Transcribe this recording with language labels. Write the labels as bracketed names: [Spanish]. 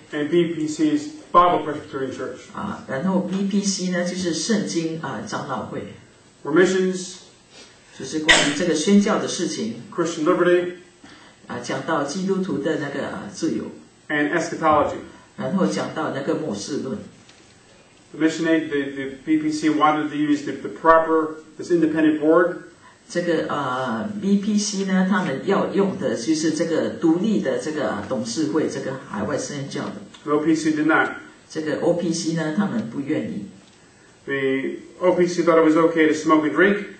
[English] And BPC is Bible Presbyterian Church. [Chinese] 然后BPC呢，就是圣经长老会。 [English] Remissions. [Chinese] 就是关于这个宣教的事情。 [English] Christian Liberty. [Chinese] 讲到基督徒的那个自由。 [English] And Eschatology. [Chinese] 然后讲到那个末世论。 [English] The mission aid, the BPC wanted to use the proper, this independent board. [Chinese] 这个 BPC呢， 他们要用的就是这个独立的这个董事会，这个海外圣教的。 [English] The OPC did not. [Chinese] 这个 OPC呢， 他们不愿意。 [English] The OPC thought it was okay to smoke and drink.